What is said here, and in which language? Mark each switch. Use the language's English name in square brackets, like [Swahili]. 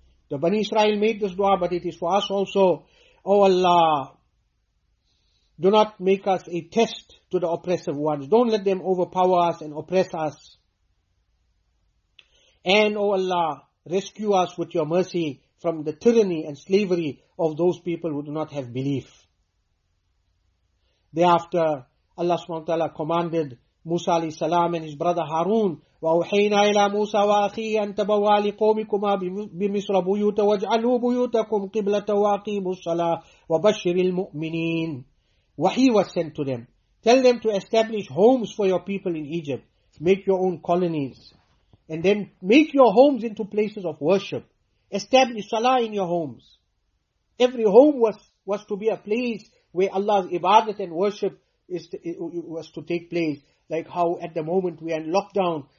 [English] The Bani Israel made this dua, but it is for us also. Oh Allah, do not make us a test to the oppressive ones. Don't let them overpower us and oppress us. And oh Allah, rescue us with your mercy from the tyranny and slavery of those people who do not have belief. Thereafter, Allah subhanahu wa ta'ala commanded Musa alayhi salam and his brother Harun, [Arabic] وَأُوحَيْنَا إِلَى مُوسَى وَأَخِيهِ أَن تَبَوَّآ لِقَوْمِكُمَا بِمِصْرَ بُيُوتًا وَاجْعَلُوا بُيُوتَكُمْ قِبْلَةً وَأَقِيمُوا الصَّلَاةَ وَبَشِّرِ الْمُؤْمِنِينَ. [English] Wahi was sent to them. Tell them to establish homes for your people in Egypt. Make your own colonies. And then make your homes into places of worship. Establish salah in your homes. Every home was to be a place where Allah's ibadat and worship was to take place, like how at the moment we are in lockdown